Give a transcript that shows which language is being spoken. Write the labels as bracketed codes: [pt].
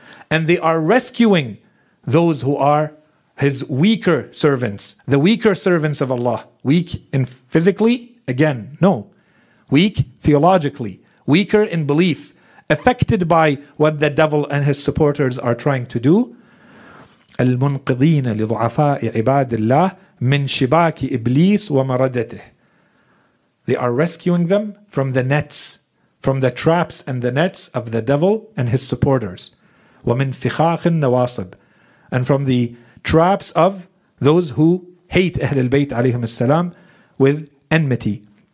[en] And they are rescuing those who are his weaker servants, the weaker servants of Allah. Weak in physically? Again, no. Weak theologically. Weaker in belief. Affected by what the devil and his supporters are trying to do. [ar] المنقذين لضعفاء عباد الله من شباك إبليس ومردته. [en] They are rescuing them from the nets, from the traps and the nets of the devil and his supporters. [ar] وَمِن فِخَاخِ النَّوَاصِبِ [en] And from the traps of those who hate Ahlul Bayt alayhim as-salam with enmity.